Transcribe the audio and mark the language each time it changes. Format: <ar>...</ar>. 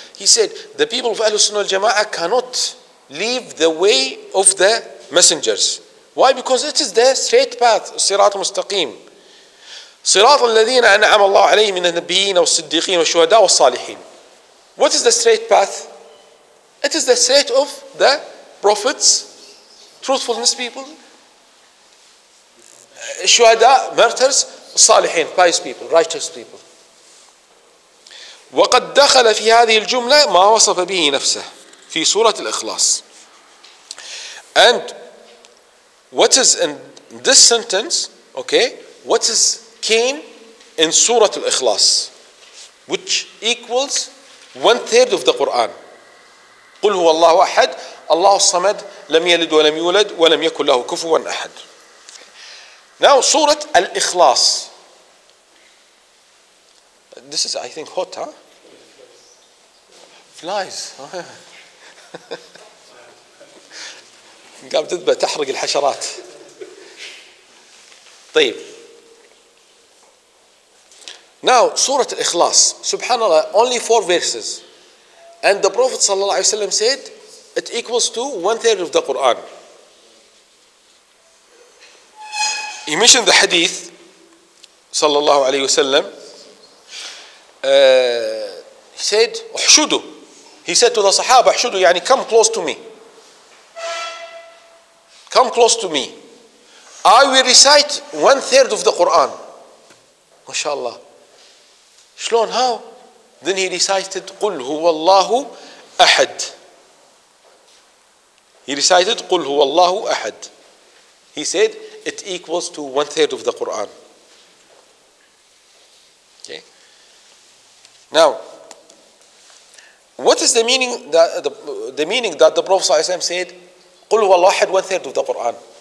<en>He said, the people of</en> <ar>أهل السنة والجماعة</ar> <en>cannot leave the way of the messengers. Why? Because it is the straight path,</en> <ar>صراط مستقيم. صراط الذين أنعم الله عليهم من النبيين والصديقين والشهداء والصالحين.</ar> <en>What is the straight path? It is the straight of the prophets, truthfulness people. Shuhada, martyrs, salihin, pious people, righteous people.</en> <ar>وقد دخل في هذه الجملة ما وصف به نفسه في سورة الإخلاص.</ar> <en>And what is in this sentence, okay, what is came in سورة الإخلاص, which equals one third of the Quran.</en> <ar>قل هو الله أحد, الله الصمد, لم يلد ولم يولد, ولم يكن له كفوا أحد.</ar> <en>Now, Surah Al-Ikhlas. This is, I think, hot, huh? Flies.</en> <ar>قام تذبح تحرق الحشرات. طيب.</ar> <en>Now, Surah Al-Ikhlas. Subhanallah, only four verses. And the Prophet</en> <ar>صلى الله عليه وسلم</ar> <en>said, it equals to one third of the Quran. He mentioned the hadith sallallahu alayhi wa sallam. He said, احشدوا. He said to the sahaba, احشدوا, يعني come close to me. Come close to me. I will recite one third of the Quran. MashaAllah.</en> <ar>شلون,</ar> <en>how? Then he recited,</en> <ar>قل هو الله أحد.</ar> <en>He recited,</en> <ar>قل هو الله أحد.</ar> <en>He said, it equals to one third of the Quran. Okay. Now, what is the meaning that the Prophet ﷺ said,</en> <ar>قُلْ هُوَ اللَّهُ أَحَدْ,</ar> <en>one third of the Quran.</en>